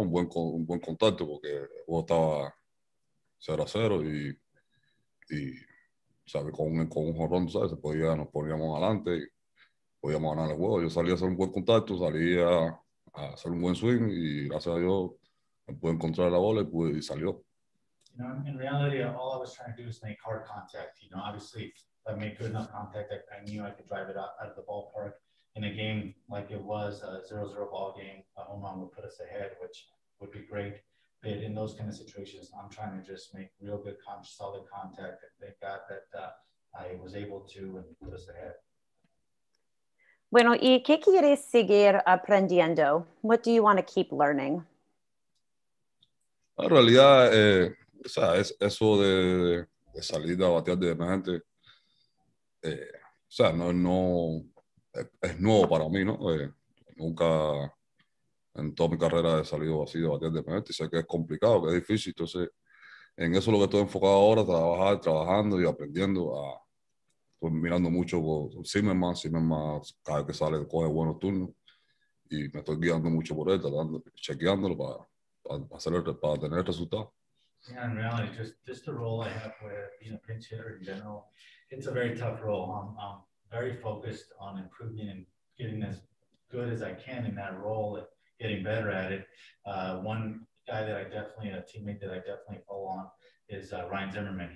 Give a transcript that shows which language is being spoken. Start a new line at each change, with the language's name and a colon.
Spanish: Un buen contacto porque el juego estaba 0-0 y ¿sabes? Con un jorrón, ¿sabes? Nos poníamos adelante y podíamos ganar el juego. Yo salí a hacer un buen contacto, salí a hacer un buen swing y gracias a Dios me pude encontrar la bola y salió.
English: You know, in reality, all I was trying to do is make hard contact. You know, obviously, if I made good enough contact, I knew I could drive it out of the ballpark. In a game like it was a 0-0 ball game, a home run would put us ahead, which would be great. But in those kind of situations, I'm trying to just make real good, solid contact. Thank God that I was able to and put us ahead.
Spanish: Bueno, ¿y qué quieres seguir aprendiendo?
English: What do you want to keep learning?
Spanish: En realidad, o sea, es eso de salir a batear de emergente, o sea, no es nuevo para mí, ¿no? Nunca en toda mi carrera he salido así de batear de emergente. Sé que es complicado, que es difícil. Entonces, en eso es lo que estoy enfocado ahora, trabajando y aprendiendo. Estoy mirando mucho con Zimmerman, cada vez que sale coge buenos turnos. Y me estoy guiando mucho por él, chequeándolo para tener resultados.
English: Yeah, in reality, just the role I have with being a pinch hitter in general, it's a very tough role. I'm very focused on improving and getting as good as I can in that role and getting better at it. A teammate that I definitely follow on is Ryan Zimmerman.